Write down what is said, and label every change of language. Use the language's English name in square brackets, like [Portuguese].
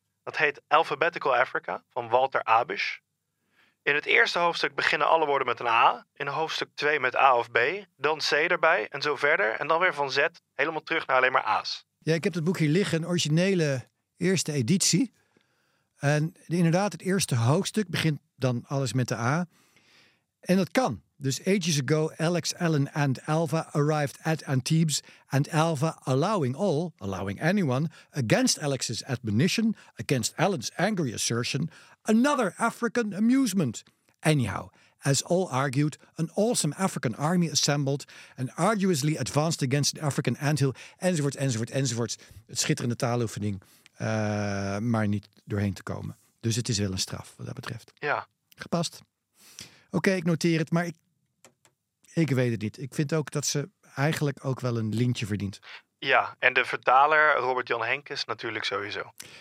[Dutch] Dat heet Alphabetical Africa van Walter Abisch. In het eerste hoofdstuk beginnen alle woorden met een A. In hoofdstuk 2 met A of B. Dan C erbij en zo verder. En dan weer van Z helemaal terug naar alleen maar A's. Ja, ik heb het boek hier liggen. Een originele eerste editie. En inderdaad, het eerste hoofdstuk begint dan alles met de A. En dat kan. [English] Dus ages ago, Alex, Ellen and Alva arrived at Antibes. And Alva, allowing anyone, against Alex's admonition, against Ellen's angry assertion, another African amusement. Anyhow, as all argued, an awesome African army assembled and arduously advanced against an African anthill, [Dutch] enzovoorts, enzovoorts, enzovoorts. Het schitterende taaloefening. Maar niet doorheen te komen. Dus het is wel een straf, wat dat betreft. Ja. Gepast. Oké, ik noteer het, maar ik weet het niet. Ik vind ook dat ze eigenlijk ook wel een lintje verdient. Ja, en de vertaler Robert-Jan Henkes natuurlijk sowieso.